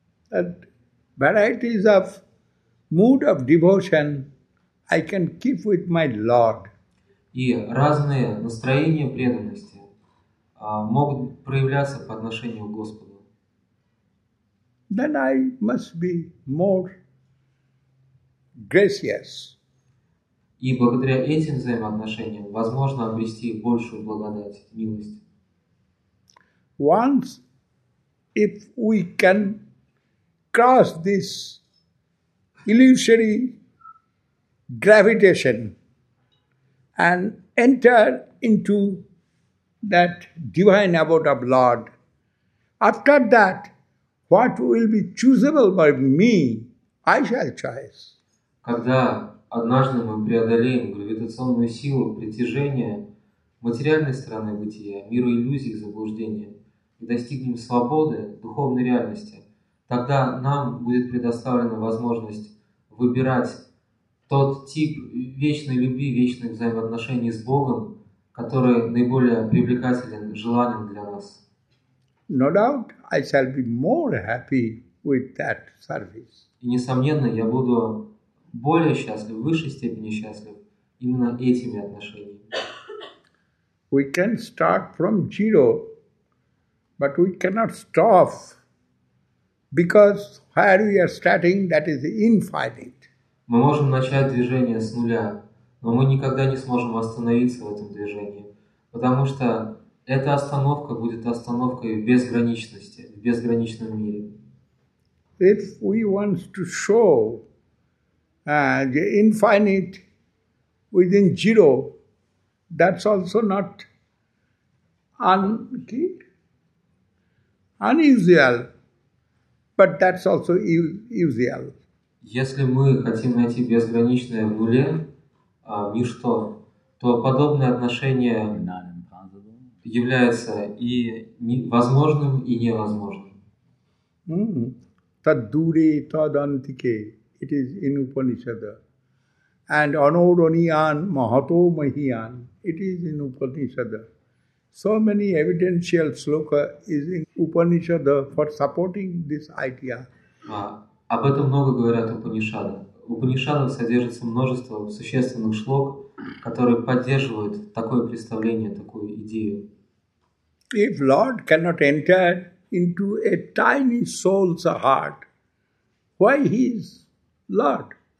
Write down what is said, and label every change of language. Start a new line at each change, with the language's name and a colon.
English: That varieties of mood of devotion I can keep with my Lord.
Russian: И разные настроения преданности могут проявляться по отношению к Господу.
English: Then I must be more gracious.
Russian: И благодаря этим взаимоотношениям возможно обрести большую благодать, милость.
English: Once, if we can cross this illusory gravitation and enter into that divine abode of Lord, after that, what will be choosable by me, I shall choose.
Russian: Когда однажды мы преодолеем гравитационную силу притяжения материальной стороны бытия, мира иллюзий и заблуждения, и достигнем свободы духовной реальности, тогда нам будет предоставлена возможность выбирать тот тип вечной любви, вечных взаимоотношений с Богом, который наиболее привлекателен, желанен для нас.
English: No doubt, I shall be more happy with that service.
Russian: И, несомненно, я буду более счастлив, в высшей степени счастлив именно этими отношениями.
English: We can start from zero, but we cannot stop, because where we are starting, that is infinite.
Russian: Мы можем начать движение с нуля, но мы никогда не сможем остановиться в этом движении, потому что эта остановка будет остановкой безграничности, в безграничном мире.
English: If we want to show the infinite within zero, that's also not unusual, but that's also usual.
Russian: Если мы хотим найти безграничное в нуле, ничто, то подобное отношение является и возможным, и невозможным.
Sanskrit: Таддури тадантике.
English: It is in Upanishad. And
Sanskrit: Anodaniyan Mahato Mahiyan.
English: It is in Upanishad. So many evidential sloka is in Upanishad for supporting this idea.
Russian: Об этом много говорят Упанишады. Упанишады содержится множество существенных шлок, которые поддерживают такое представление, такую идею.
English: If Lord cannot enter into a tiny soul's heart, why he is Lord?